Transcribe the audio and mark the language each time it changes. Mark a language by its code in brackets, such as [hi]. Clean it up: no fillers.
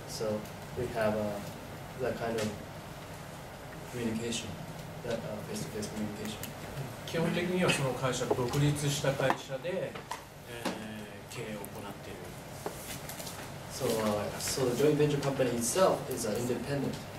[en] So we have that kind of communication, that face-to-face communication. [ja] 基本的にはその会社独立した会社で、経営を行っている。 [en] So, so the joint venture company itself is independent.